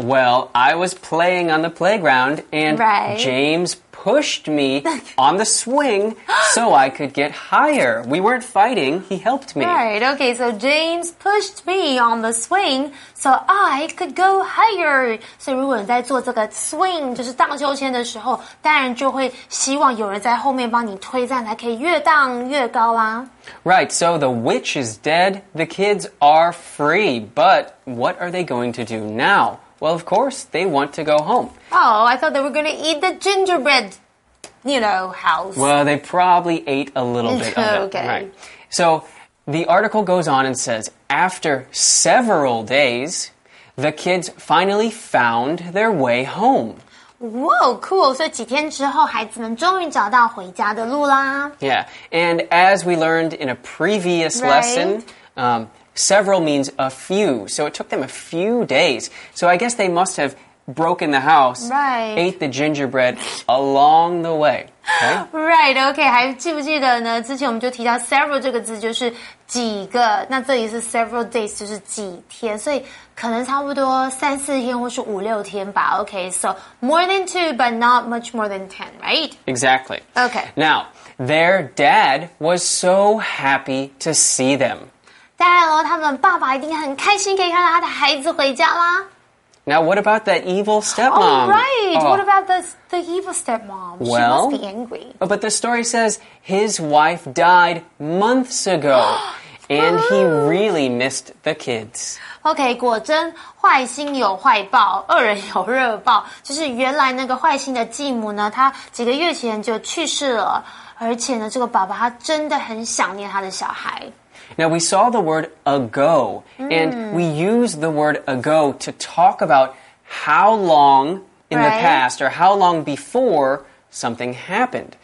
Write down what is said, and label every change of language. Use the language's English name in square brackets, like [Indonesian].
[English] Well, I was playing on the playground and James pushed me on the swing so I could get higher. We weren't fighting, he helped me. Right, okay, so James pushed me on the swing so I could go higher. [Chinese] 所以如果你在做这个 swing, 就是荡秋千的时候，当然就会希望有人在后面帮你推荐才可以越荡越高啦。 [English] Right, so the witch is dead, the kids are free, but what are they going to do now? Well, of course, they want to go home. Oh, I thought they were going to eat the gingerbread, you know, house. Well, they probably ate a little bit of it. Okay. Right. So the article goes on and says, after several days, the kids finally found their way home. Whoa, cool. [Chinese] So, 几天之后孩子们终于找到回家的路啦。 [English] Yeah, and as we learned in a previous lesson, several means a few. So, it took them a few days. So, I guess they must have broken the house, ate the gingerbread along the way. Okay? Right, okay. [Chinese] 还记不记得呢？之前我们就提到 several 这个字就是几个，那这里是 several days 就是几天，所以可能差不多三四天或是五六天吧。 [English] Okay, so more than two, but not much more than 10, right? Exactly. Okay. Now, their dad was so happy to see them. [Chinese] 当然了，他们爸爸一定很开心可以看到他的孩子回家啦。 [English] Now, what about that evil stepmom? Oh, right. Oh. What about the evil stepmom? Well, she must be angry. But the story says his wife died months ago, and he really missed the kids. [Chinese] Okay, 果真坏心有坏报，恶人有恶报。就是原来那个坏心的继母呢，她几个月前就去世了，而且呢，这个爸爸他真的很想念他的小孩。 [English] Now, we saw the word ago, and we use the word ago to talk about how long in the past or how long before something happened.